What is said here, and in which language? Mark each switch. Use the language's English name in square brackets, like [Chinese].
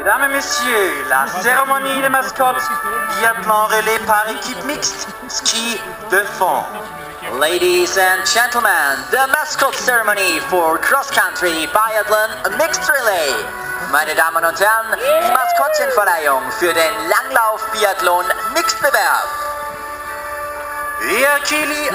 [French] messieurs, la cérémonie des mascottes, biathlon relais par équipe mixte, ski de fond. [English] Ladies and gentlemen, the mascot ceremony for cross-country biathlon mixed relay. [German] Meine Damen und Herren, die Maskottchenverleihung für den Langlauf-Biathlon-Mixbewerb.